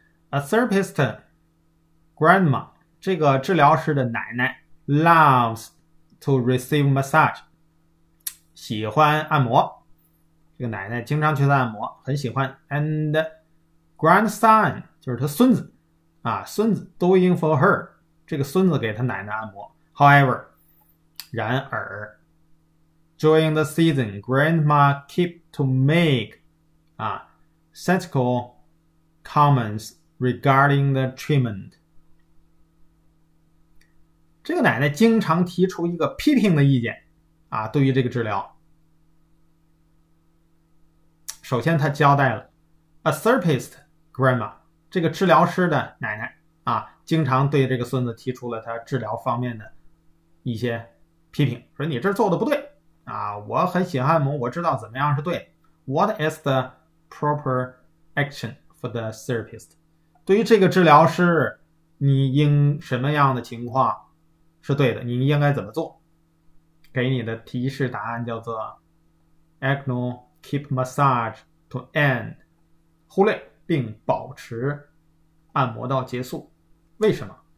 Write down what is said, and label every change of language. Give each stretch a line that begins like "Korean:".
English: A therapist grandma
Chinese: 这个治疗师的奶奶
English: loves to receive massage
Chinese: 喜欢按摩，这个奶奶经常去按摩，很喜欢。
English: And grandson
Chinese: 就是他孙子啊，孙子
English: doing for her。
Chinese: 这个孙子给他奶奶按摩。
English: However,
Chinese: 然而
English: ,during the season, grandma keep to make, sensical comments regarding the treatment.
Chinese: 这个奶奶经常提出一个批评的意见啊，对于这个治疗。首先她交代了 ,
English: a therapist grandma,
Chinese: 这个治疗师的奶奶啊，经常对这个孙子提出了他治疗方面的一些批评，说你这做的不对啊，我很喜欢按摩，我知道怎么样是对。
English: What is the proper action for the therapist?
Chinese: 对于这个治疗师，你应什么样的情况是对的，你应该怎么做？给你的提示答案叫做
English: Ignore, keep massage to end,
Chinese: 忽略并保持按摩到结束。为什么？